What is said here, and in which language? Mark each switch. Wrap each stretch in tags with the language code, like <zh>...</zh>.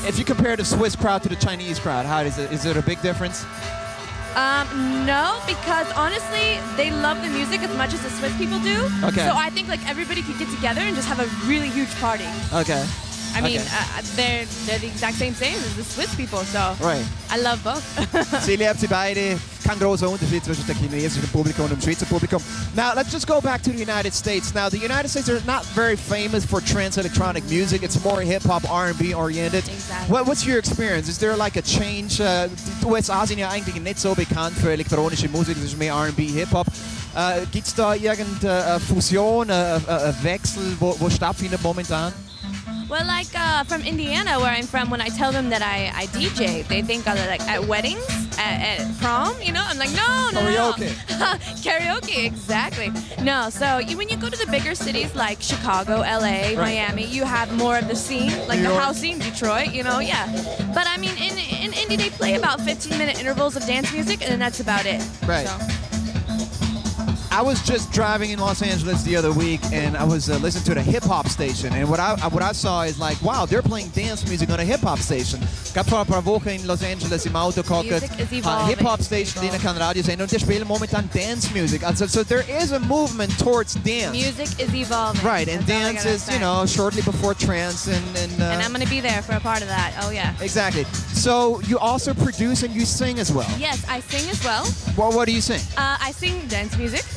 <en>If you compare the Swiss crowd to the Chinese crowd, how is it a big difference? No, because honestly, they love the music as much as the Swiss people do. Okay. So I think, like, everybody could get together and just have a really huge party. Okay. I mean, they're the exact same as the Swiss people, so right. I love both.</en> <de>Sie liebt sie beide. Kein großer Unterschied zwischen dem chinesischen Publikum und dem Schweizer Publikum.</de> <en>Now, let's just go back to the United States. Now, the United States are not very famous for trance electronic music. It's more hip-hop, R&B oriented. Exactly. What's your experience? Is there like a change?</en> <de>Die USA sind ja eigentlich nicht so bekannt für elektronische Musik. Es ist mehr R&B, Hip-Hop. Gibt es da irgendeine Fusion, ein Wechsel, wo stattfindet momentan?</de> <en>Well, like from Indiana, where I'm from, when I tell them that I DJ, they think I'm like at weddings, at prom, you know? I'm like, no. Karaoke. Karaoke, exactly. No, so when you go to the bigger cities like Chicago, LA, right. Miami, you have more of the scene, like New the York. House scene, Detroit, you know, yeah. But I mean, in Indy, they play about 15-minute intervals of dance music, and that's about it. Right. So. I was just driving in Los Angeles the other week, and I was listening to the hip hop station. And what I saw is like, wow, they're playing dance music on a hip hop station.</en> <de>Gab vor ein paar Wochen in Los Angeles im Auto gehockt,</de> <en>hip hop station,</en> <de>die kann Radio senden, und die spielen momentan</de> <en>dance music. Also, so there is a movement towards dance. Music is evolving. Right, and that's dance is, you know, shortly before trance, and I'm gonna be there for a part of that. Oh yeah. Exactly. So you also produce and you sing as well. Yes, I sing as well. What do you sing? I sing dance music.</en>